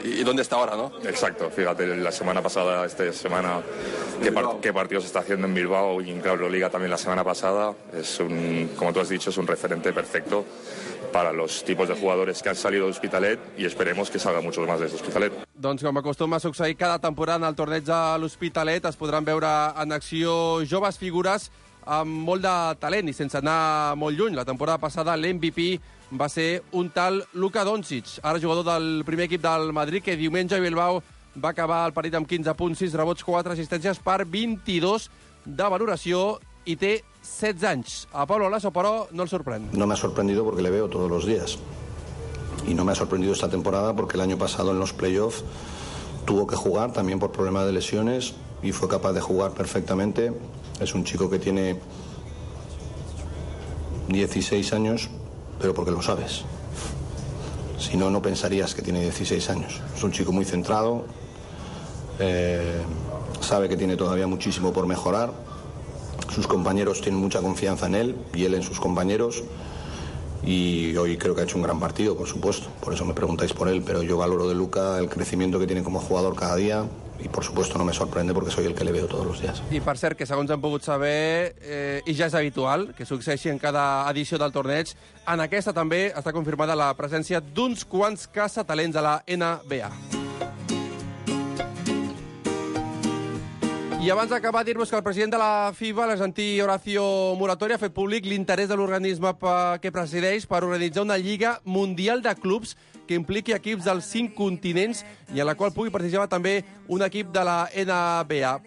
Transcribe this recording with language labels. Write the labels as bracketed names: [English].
[Spanish] ¿Y dónde está ahora, no? Exacto. Fíjate, la semana pasada, esta semana, qué partido se está haciendo en Bilbao y en Claro Liga también la semana pasada. Es un, como tú has dicho, es un referente perfecto para los tipos de jugadores que han salido de Hospitalet, y esperemos que salgan muchos más de Hospitalet. [Catalan] Doncs com acostuma a succeir cada temporada en el torneig de l'Hospitalet, es podran veure en acció joves figures amb molt de talent i sense anar molt lluny. La temporada passada l'MVP va ser un tal Luka Doncic, ara jugador del primer equip del Madrid, que diumenge a Bilbao va acabar el partit amb 15 punts, 6 rebots, 4 assistències per 22 de valoració i té 16 años. [Spanish] A Pablo Laso, pero no le sorprende. No me ha sorprendido porque le veo todos los días. Y no me ha sorprendido esta temporada porque el año pasado en los playoffs tuvo que jugar también por problema de lesiones y fue capaz de jugar perfectamente. Es un chico que tiene 16 años, pero porque lo sabes. Si no, no pensarías que tiene 16 años. Es un chico muy centrado, sabe que tiene todavía muchísimo por mejorar. Sus compañeros tienen mucha confianza en él y él en sus compañeros, y hoy creo que ha hecho un gran partido, por supuesto, por eso me preguntáis por él, pero yo valoro de Luka el crecimiento que tiene como jugador cada día y por supuesto no me sorprende porque soy el que le veo todos los días. [Catalan] I per cert, que segons hem pogut saber, i ja és habitual que succeeixi en cada edició del torneig, en aquesta també està confirmada la presència d'uns quants caçatalents a la NBA. I abans d'acabar, dir-vos que el president de la FIBA, l'argentí Horacio Muratori, ha fet públic l'interès de l'organisme que presideix per organitzar una Lliga Mundial de Clubs que impliqui equips dels 5 continents i a la qual pugui participar també un equip de la NBA.